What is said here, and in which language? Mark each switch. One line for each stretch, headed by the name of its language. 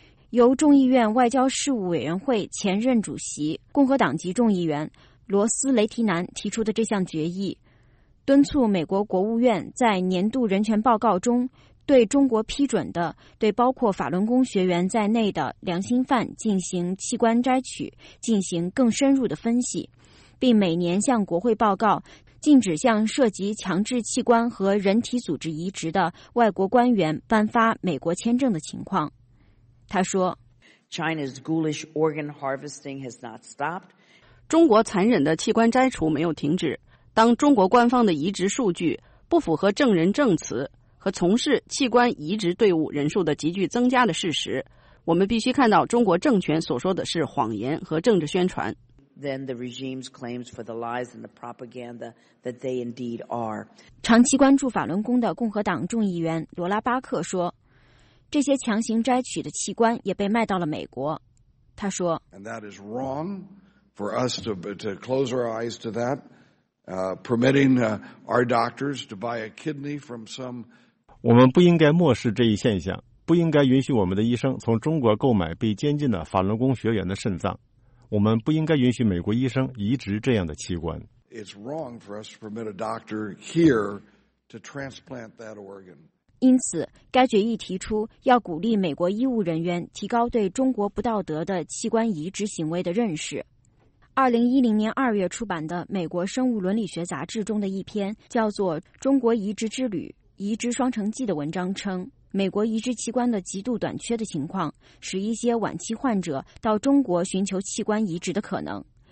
Chinese: 由众议院外交事务委员会前任主席、共和党籍众议员罗斯·雷提南提出的这项决议，敦促美国国务院在年度人权报告中对中国批准的对包括法轮功学员在内的良心犯进行器官摘取进行更深入的分析，并每年向国会报告禁止向涉及强制器官和人体组织移植的外国官员颁发美国签证的情况。他说
English: China's ghoulish organ harvesting has not stopped.
Chinese: 中国残忍的器官摘除没有停止。当中国官方的移植数据不符合证人证词和从事器官移植队伍人数的急剧增加的事实，我们必须看到中国政权所说的是谎言和政治宣传。
English: Then the regime's claims for the lies and the propaganda that they indeed are.
Chinese: 长期关注法轮功的共和党众议员罗拉巴克说，这些强行摘取的器官也被卖到了美国。他说
English: And that is wrong for us to close our eyes to that, permitting our doctors to buy a kidney from some.
Chinese: 我们不应该漠视这一现象，不应该允许我们的医生从中国购买被监禁的法轮功学员的肾脏。我们不应该允许美国医生移植这样的器官。
English: It's wrong for us to permit a doctor here to transplant that organ.
Chinese: 因此，该决议提出要鼓励美国医务人员提高对中国不道德的器官移植行为的认识。 2010年2月出版的《美国生物伦理学杂志》中的一篇叫做《中国移植之旅：移植双城记》的文章称，美国移植器官的极度短缺的情况使一些晚期患者到中国寻求器官移植的可能。